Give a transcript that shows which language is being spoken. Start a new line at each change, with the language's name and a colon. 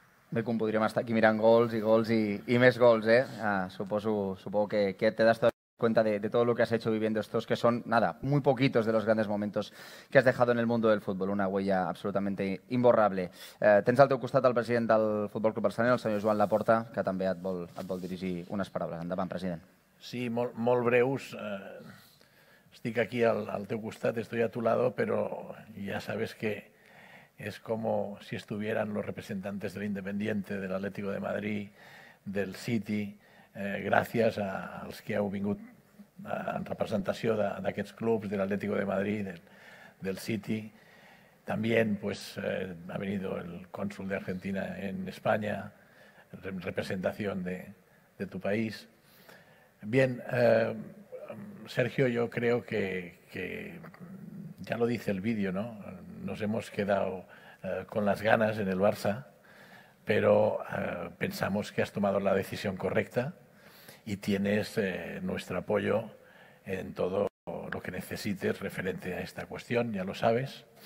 Catalan: Bé, com podríem estar aquí mirant gols i gols i més gols, eh? Suposo que
Spanish: te das cuenta de todo lo que has hecho viviendo estos, que son, nada, muy poquitos de los grandes momentos que has dejado en el mundo del fútbol, una huella absolutamente imborrable.
Catalan: Tens al teu costat el president del Futbol Club Barcelona, el senyor Joan Laporta, que també et vol dirigir unes paraules. Endavant, president. Sí, molt breus. Estic aquí al teu costat,
Spanish: estoy a tu lado, pero ya sabes que es como si estuvieran los representantes del Independiente, del Atlético de Madrid, del City.
Catalan: Gracias als que heu vingut en representació d'aquests clubs, de l'Atlético de Madrid, del City.
Spanish: También pues, ha venido el cónsul de Argentina en España, en representación de tu país. Bien, Sergio, yo creo que ya lo dice el vídeo, ¿no? Nos hemos quedado con las ganas en el Barça, pero pensamos que has tomado la decisión correcta y tienes nuestro apoyo en todo lo que necesites referente a esta cuestión, ya lo sabes.